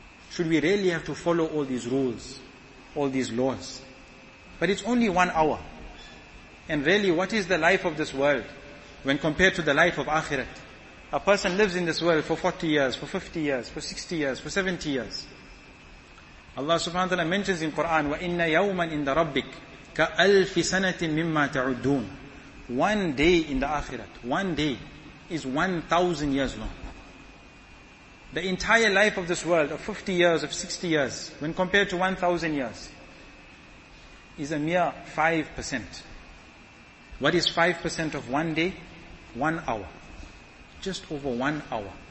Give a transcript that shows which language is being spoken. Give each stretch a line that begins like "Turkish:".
English: Should we really have to follow all these rules, all these laws? But it's only 1 hour. And really, what is the life of this world when compared to the life of akhirat? A person lives in this world for 40 years, for 50 years, for 60 years, for 70 years. Allah subhanahu wa ta'ala mentions in Quran,
Arabic: وَإِنَّ يَوْمًا إِنْدَ رَبِّكَ كَأَلْفِ سَنَةٍ مِمَّا تَعُدُّونَ.
English: One day in the akhirat, one day is 1,000 years long. The entire life of this world, of 50 years, of 60 years, when compared to 1,000 years, is a mere 5%. What is 5% of one day? 1 hour. Just over 1 hour.